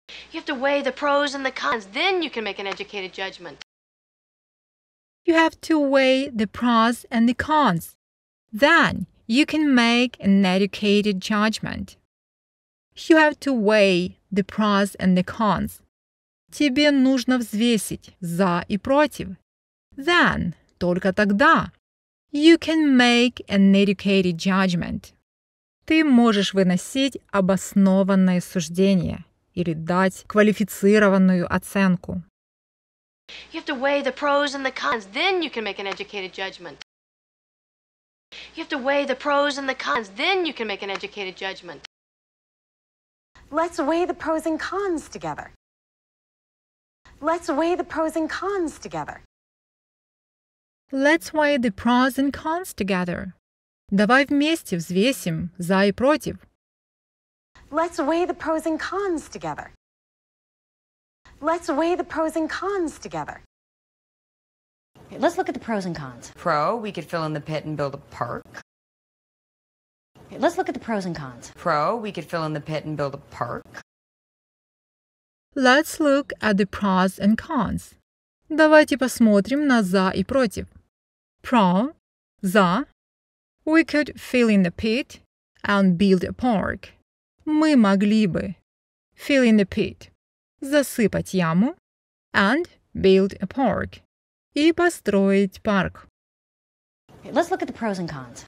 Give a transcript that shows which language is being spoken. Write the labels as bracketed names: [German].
[English] You have to weigh the pros and the cons, then you can make an educated judgment. You have to weigh the pros and the cons. Then you can make an educated judgment. You have to weigh the pros and the cons. [Russian] Тебе нужно взвесить за и против. [English] Then, [Russian] только тогда, [English] you can make an educated judgment. [Russian] Ты можешь выносить обоснованное суждение или дать квалифицированную оценку. [English] You have to weigh the pros and the cons, then you can make an educated judgment. You have to weigh the pros and the cons, then you can make an educated judgment. Let's weigh the pros and cons together. Let's weigh the pros and cons together. Let's weigh the pros and cons together. [Russian] Давай вместе взвесим за и против. [English] Let's weigh the pros and cons together. Let's weigh the pros and cons together. Let's look at the pros and cons. Pro, we could fill in the pit and build a park. Let's look at the pros and cons. Pro, we could fill in the pit and build a park. Let's look at the pros and cons. [Russian] Давайте посмотрим на за и против. [English] Pro, [Russian] за. [English] We could fill in the pit and build a park. [Russian] Мы могли бы. [English] Fill in the pit. [Russian] Засыпать яму. [English] And build a park. [Russian] И построить парк. [English] Let's look at the pros and cons.